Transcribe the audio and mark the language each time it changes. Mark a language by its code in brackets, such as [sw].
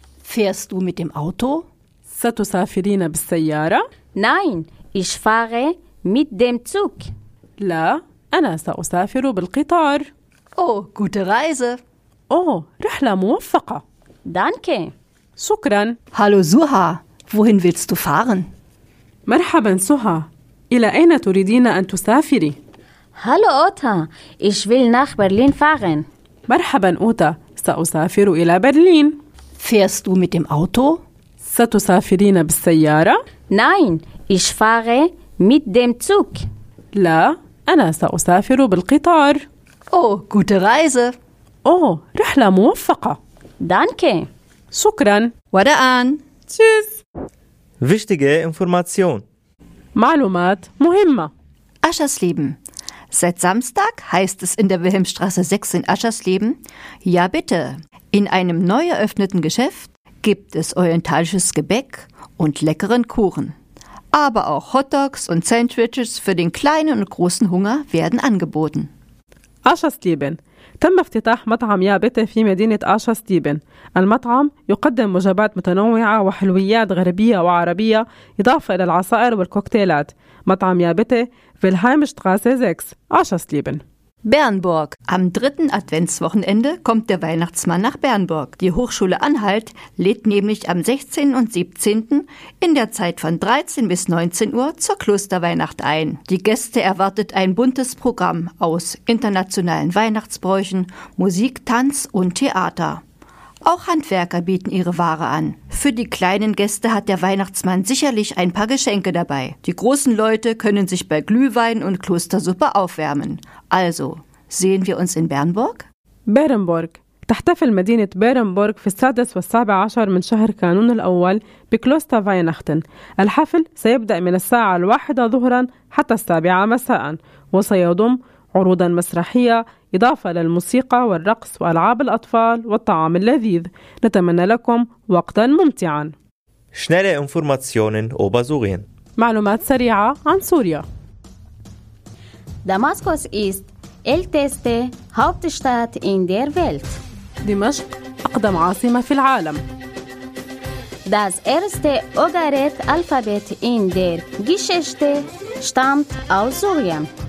[de] Fährst du mit dem Auto? [ar] ستسافرين بالسيارة؟ [de] Nein, ich fahre mit dem Zug. [ar] لا, أنا سأسافر بالقطار. [de] Oh, gute Reise. [ar] Oh, رحلة موفقة. [de] Danke. [ar] شكرا. [de] Hallo Suha, wohin willst du fahren? [ar] مرحبا سوها. إلى أين تريدين أن تسافري؟ [de] Hallo Ota, ich will nach Berlin fahren. [ar] مرحبا أوتا. سأسافر إلى برلين. [de] Fährst du mit dem Auto? [ar] ستسافرين بالسيارة؟ [de] Nein, ich fahre mit dem Zug. [ar] لا, أنا سأسافر بالقطار. [de] Oh, gute Reise. [ar] Oh, رحلة موفقة. [de] Danke. [ar] شكرا. ودعان. [de] Tschüss. Wichtige Information. [ar] معلومات مهمة. [de] Aschersleben. Seit Samstag heißt es in der Wilhelmstraße 6 in Aschersleben, ja bitte, in einem neu eröffneten Geschäft gibt es orientalisches Gebäck und leckeren Kuchen. Aber auch Hotdogs und Sandwiches für den kleinen und großen Hunger werden angeboten. Aschersleben. [ar] تم افتتاح مطعم يا بيتي في مدينة أشاسليبن. المطعم يقدم وجبات متنوعة وحلويات غربية وعربية إضافة إلى العصائر والكوكتيلات. مطعم يا بيتي في الهايمشتغاسي 6 أشاسليبن. [de] Bernburg. Am dritten Adventswochenende kommt der Weihnachtsmann nach Bernburg. Die Hochschule Anhalt lädt nämlich am 16. und 17. in der Zeit von 13 bis 19 Uhr zur Klosterweihnacht ein. Die Gäste erwartet ein buntes Programm aus internationalen Weihnachtsbräuchen, Musik, Tanz und Theater. Auch Handwerker bieten ihre Ware an. Für die kleinen Gäste hat der Weihnachtsmann sicherlich ein paar Geschenke dabei. Die großen Leute können sich bei Glühwein und Klostersuppe aufwärmen. Also, sehen wir uns in Bernburg? Bernburg. [ar] تحتفل مدينة بيرنبورغ في السادس والسابع عشر من شهر كانون الأول بكلوستر فاينختن. الحفل سيبدأ من الساعة الواحدة ظهرا حتى السابعة مساء وسيضم عروضا مسرحية إضافة للموسيقى والرقص وألعاب الأطفال والطعام اللذيذ. نتمنى لكم وقتا ممتعا. [de] Schnelle Informationen über Syrien. [ar] معلومات سريعة عن سوريا. [de] Damaskus ist älteste Hauptstadt in der Welt. [ar] دمشق أقدم عاصمة في العالم. [de] Das erste Ugarit-Alphabet in der Geschichte stammt aus Syrien.